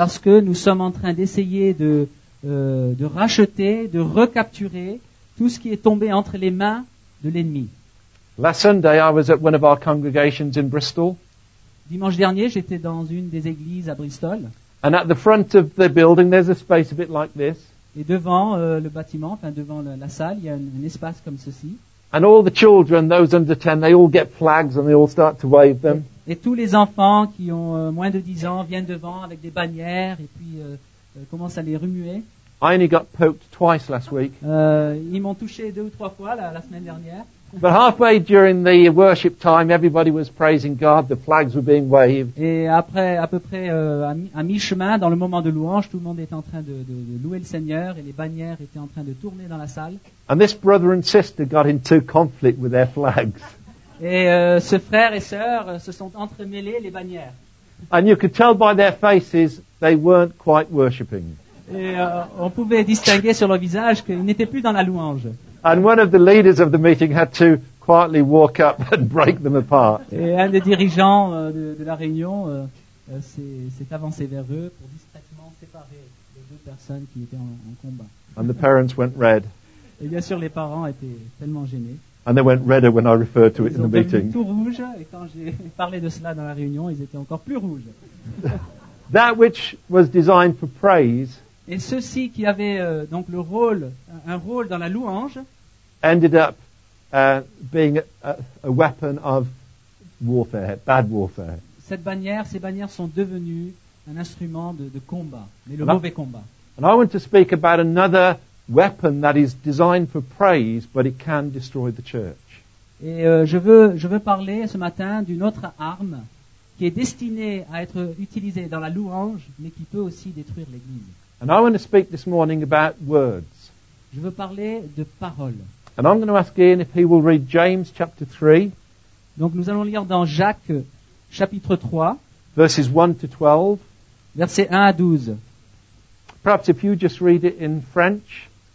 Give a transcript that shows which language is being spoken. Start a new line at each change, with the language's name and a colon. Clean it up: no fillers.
French: Parce que nous sommes en train d'essayer de racheter, de recapturer tout ce qui est tombé entre les mains de l'ennemi.
English: Last Sunday I was at one of our congregations in Bristol.
French: Dimanche dernier, j'étais dans une des églises à Bristol.
English: And at the front of the building there's a space a bit like this.
French: Et devant le bâtiment, enfin devant la salle, il y a un espace comme ceci.
English: And all the children, those under 10, they all get flags and they all start to wave them.
French: Et tous les enfants qui ont moins de 10 ans viennent devant avec des bannières et puis commencent à les remuer.
English: I only got poked twice last week.
French: Ils m'ont touché deux ou trois fois la semaine dernière.
English: But halfway during the worship time, everybody was praising God. The flags were being waved.
French: Et après, à peu près à mi-chemin, dans le moment de louange, tout le monde était en train de louer le Seigneur et les bannières étaient en train de tourner dans la salle.
English: And this brother and sister got into conflict with their flags.
French: Et ce frère et sœur se sont entremêlés les bannières.
English: And you could tell by their faces they weren't quite worshiping.
French: Et on pouvait distinguer sur leur visage qu'ils n'étaient plus dans la louange.
English: And one of the leaders of the meeting had to quietly walk up and break them apart.
French: Et un des dirigeants de la réunion s'est avancé vers eux pour discrètement séparer les deux personnes qui étaient en combat.
English: And the parents went red.
French: Et bien sûr, les parents étaient tellement gênés.
English: And they went redder when I referred to
French: ils
English: it in the meeting.
French: Ils ont devenu tout rouges, et quand j'ai parlé de cela dans la réunion, ils étaient encore plus rouges.
English: That which was designed for praise.
French: Et ceci qui avait donc le rôle, un rôle dans la louange,
English: ended up being a weapon of warfare, bad warfare.
French: Cette bannière, ces bannières sont devenues un instrument de combat, mais le mauvais combat.
English: And I want to speak about another weapon that is designed for praise, but it can destroy the church.
French: Et je veux parler ce matin d'une autre arme qui est destinée à être utilisée dans la louange, mais qui peut aussi détruire l'église.
English: And I want to speak this morning about words.
French: Je veux parler de paroles.
English: And I'm going to ask Ian if he will read James chapter 3.
French: Donc nous allons lire dans Jacques chapitre 3.
English: Verses 1 to 12.
French: Versets 1 à 12.
English: Perhaps if you just read it in French.